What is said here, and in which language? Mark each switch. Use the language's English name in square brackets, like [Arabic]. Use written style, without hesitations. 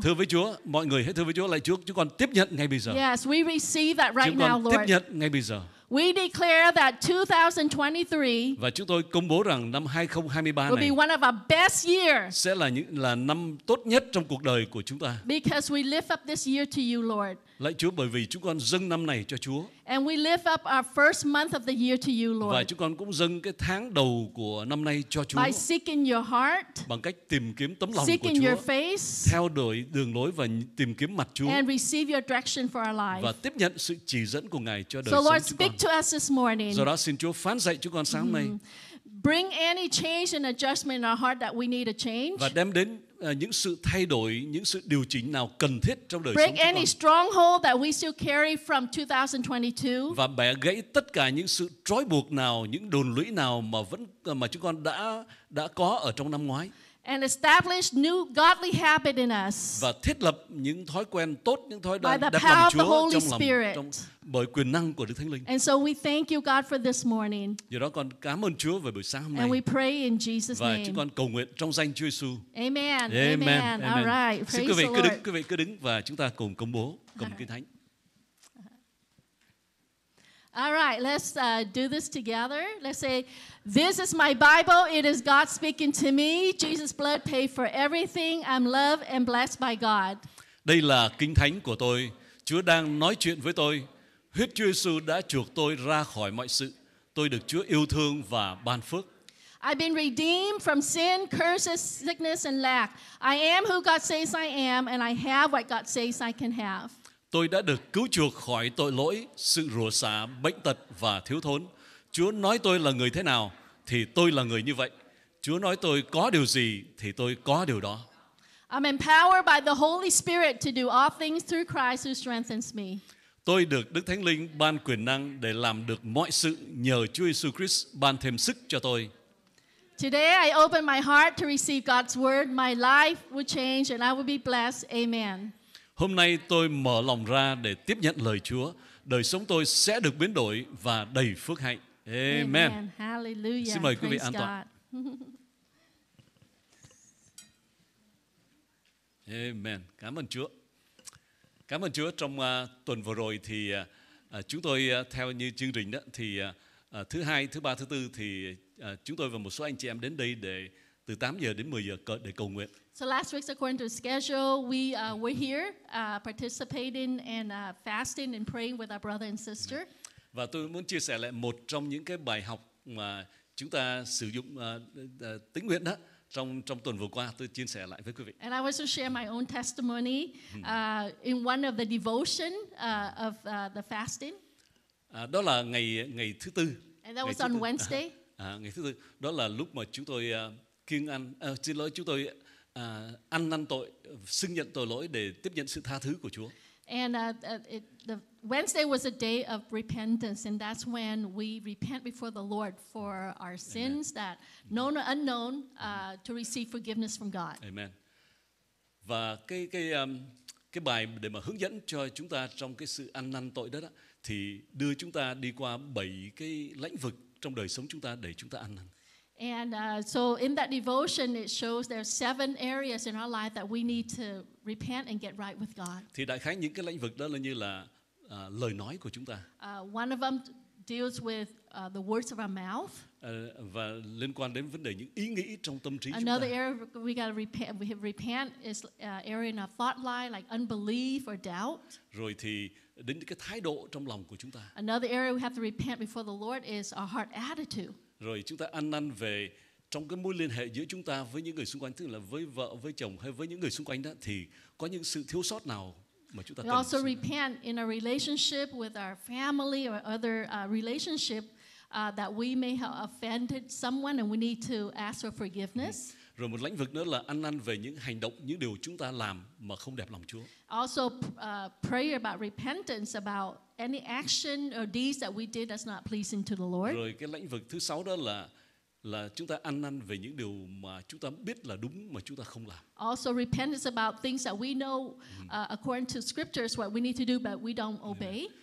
[Vietnamese] Thưa với Chúa, mọi người hãy thưa với Chúa, lạy Chúa, chúng con tiếp nhận ngay bây giờ. [English] Yes, we receive that right [Vietnamese] chúng [English] now, Lord. [Vietnamese] Tiếp nhận ngay bây giờ. [English] We declare that 2023 [Vietnamese] và chúng tôi công bố rằng năm 2023 này [English] will be one of our best year [Vietnamese] sẽ là những là năm tốt nhất trong cuộc đời của chúng ta. [English] Because we lift up this year to you, Lord. [Vietnamese] Lạy Chúa, bởi vì chúng con dâng năm này cho Chúa. [English] And we lift up our first month of the year to you, Lord. [Vietnamese] Và chúng con cũng dâng cái tháng đầu của năm nay cho Chúa. [English] By seeking your heart, [Vietnamese] bằng cách tìm kiếm tấm lòng [English] seeking [Vietnamese] của Chúa, [English] your face, [Vietnamese] theo đuổi đường lối và tìm kiếm mặt Chúa. [English] And receive your direction for our life. [Vietnamese] Và tiếp nhận sự chỉ dẫn của Ngài cho đời [English] so [Vietnamese] sống [English] Lord, [Vietnamese] chúng con. [English] To us this morning. [Vietnamese] Do đó xin Chúa phán dạy chúng con sáng nay. [English] Bring any change and adjustment in our heart that we need a change. [Vietnamese] Và đem đến những sự thay đổi, những sự điều chỉnh nào cần thiết trong đời [English] break [Vietnamese] sống chúng con. [English] Break any stronghold that we still carry from 2022. [Vietnamese] Và bẻ gãy tất cả những sự trói buộc nào, những đồn lũy nào mà vẫn mà chúng con đã có ở trong năm ngoái. [English] And establish new godly habit in us. [Vietnamese] Và thiết lập những thói quen tốt, những thói đẹp lòng Chúa trong lòng trong bởi quyền năng của Đức Thánh Linh. [English] And so we thank you, God, for this morning. [Vietnamese] Do đó con cảm ơn Chúa về buổi sáng hôm nay. [English] And we pray in Jesus' [Vietnamese] và [English] name. [Vietnamese] Và chúng con cầu nguyện trong danh Chúa Giêsu. [English] Amen. Amen. Amen. All right. Praise [Vietnamese] quý vị [English] the [Vietnamese] cứ [English] Lord. [Vietnamese] Đứng, quý vị cứ đứng và chúng ta cùng công bố cùng kinh thánh. [English] All right, let's do this together. Let's say, this is my Bible. It is God speaking to me. Jesus' blood paid for everything. I'm loved and blessed by God. [Vietnamese] Đây là kinh thánh của tôi. Chúa đang nói chuyện với tôi. Huyết Chúa Giêsu đã chuộc tôi ra khỏi mọi sự. Tôi được Chúa yêu thương và ban phước. [English] I've been redeemed from sin, curses, sickness, and lack. I am who God says I am, and I have what God says I can have. [Vietnamese] Tôi đã được cứu chuộc khỏi tội lỗi, sự rủa xả, bệnh tật và thiếu thốn. Chúa nói tôi là người thế nào, thì tôi là người như vậy. Chúa nói tôi có điều gì, thì tôi có điều đó. [English] I'm empowered by the Holy Spirit to do all things through Christ who strengthens me. [Vietnamese] Tôi được Đức Thánh Linh ban quyền năng để làm được mọi sự nhờ Chúa Jesus Christ ban thêm sức cho tôi. [English] Today I open my heart to receive God's word. My life will change and I will be blessed. Amen. [Vietnamese] Hôm nay tôi mở lòng ra để tiếp nhận lời Chúa. Đời sống tôi sẽ được biến đổi và đầy phước hạnh. [English] Amen. Amen. Hallelujah. [Vietnamese] Xin mời quý [English] praise [Vietnamese] vị an toàn. [English] God. [Vietnamese] Amen. Cảm ơn Chúa. Cảm ơn Chúa. Trong tuần vừa rồi thì chúng tôi theo như chương trình đó thì thứ hai, thứ ba, thứ tư thì chúng tôi và một số anh chị em đến đây để từ 8 giờ đến 10 giờ để cầu nguyện. [English] So last week, according to schedule, we were here participating and fasting and praying with our brother and sister. [Vietnamese] Và tôi muốn chia sẻ lại một trong những cái bài học mà chúng ta sử dụng tĩnh nguyện đó trong tuần vừa qua, tôi chia sẻ lại với quý vị. [English] And I want to share my own testimony in one of the devotion of the fasting. [Vietnamese] Đó là ngày thứ tư. [English] And that was on Wednesday. [Vietnamese] Ngày thứ tư. Đó là lúc mà chúng tôi kiêng ăn, xin lỗi, chúng tôi ăn năn tội, xưng nhận tội lỗi để tiếp nhận sự tha thứ của Chúa. [English] And the Wednesday was a day of repentance, and that's when we repent before the Lord for our sins, Amen. That known or unknown, to receive forgiveness from God. Amen. [Vietnamese] Và cái bài để mà hướng dẫn cho chúng ta trong cái sự ăn năn tội đó, thì đưa chúng ta đi qua 7 cái lĩnh vực trong đời sống chúng ta để chúng ta ăn năn. [English] And so in that devotion, it shows there are 7 areas in our life that we need to repent and get right with God. [Vietnamese] Thì đại khái những cái lĩnh vực đó là như là lời nói của chúng ta. [English] One of them deals with the words of our mouth. [Vietnamese] Và liên quan đến vấn đề những ý nghĩ trong tâm trí. [English] Another [Vietnamese] chúng ta. [English] Area we got to repent is area in our thought line, like unbelief or doubt. [Vietnamese] Rồi thì đến cái thái độ trong lòng của chúng ta. [English] Another area we have to repent before the Lord is our heart attitude. [Vietnamese] Rồi chúng ta ăn năn về trong cái mối liên hệ giữa chúng ta với những người xung quanh, tức là với vợ, với chồng hay với những người xung quanh đó, thì có những sự thiếu sót nào mà chúng ta [English] we [Vietnamese] cần. [English] We also repent in a relationship with our family or other relationship that we may have offended someone and we need to ask for forgiveness. [Vietnamese] Rồi một lĩnh vực nữa là ăn năn về những hành động, những điều chúng ta làm mà không đẹp lòng Chúa. [English] Also pray about repentance, about any action or deeds that we did that's not pleasing to the Lord. [Vietnamese] Rồi cái lĩnh vực thứ 6 đó là chúng ta ăn năn về những điều mà chúng ta biết là đúng mà chúng ta không làm. [English] Also repentance about things that we know according to scriptures what we need to do but we don't obey.